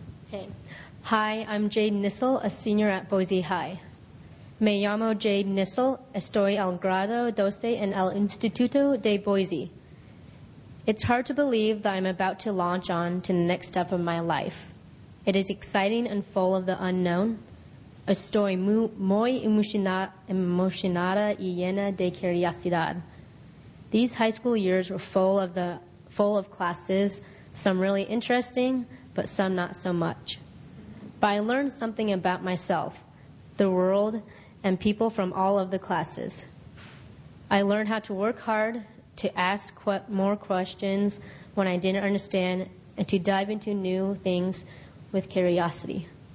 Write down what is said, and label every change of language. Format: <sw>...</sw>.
<en>Hey. Hi, I'm Jade Nissel, a senior at Boise High.</en> <es>Me llamo Jade Nissel, estoy al grado 12 en el Instituto de Boise.</es> <en>It's hard to believe that I'm about to launch on to the next step of my life. It is exciting and full of the unknown.</en> <es>Estoy muy emocionada y llena de curiosidad.</es> <en>These high school years were full of classes, some really interesting, but some not so much. But I learned something about myself, the world, and people from all of the classes. I learned how to work hard, to ask more questions when I didn't understand, and to dive into new things with curiosity.</en>